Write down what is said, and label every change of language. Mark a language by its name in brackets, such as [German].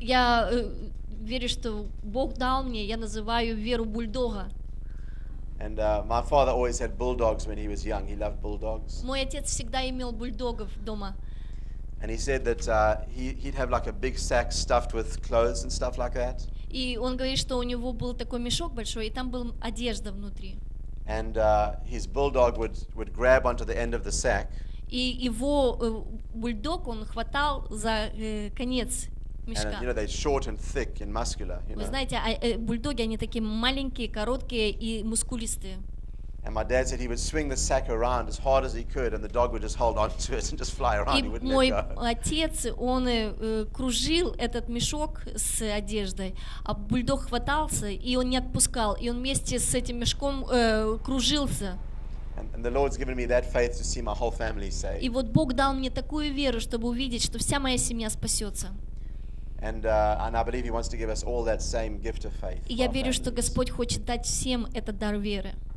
[Russian] Я верю, что Бог дал мне, я называю веру бульдога. [English] And my father always had bulldogs when he was young. He loved bulldogs. [Russian] Мой отец всегда имел бульдогов дома. [English] And he said that he'd have like a big sack stuffed with clothes and stuff like that. [Russian] И он говорит, что у него был такой мешок большой, и там была одежда внутри. [English] And his bulldog would grab onto the end of the sack. [Russian] И его бульдог, он хватал за конец [Ukrainian] мішка. [English] You know, they're short and thick and muscular, you know. [Ukrainian] Ви знаєте, бульдоги, вони такі маленькі, короткі і мускулісті. [English] And my dad said he would swing the sack around as hard as he could and the dog would just hold on to it and just fly around, he wouldn't let go. [Ukrainian] І мій отец, він кружив этот мішок з одеждой, а бульдог хватався, і він не відпускав, і він вместе з цим мішком кружився. [English] And the Lord's given me that faith to see my whole family saved. [Ukrainian] І от Бог дав мені таку віру, щоб увидеть, що вся моя сім'я спасеться. [English] And I believe he wants to give us all that same gift of faith. [Ukrainian] Я вірю, що Господь хоче дати всім этот дар віри.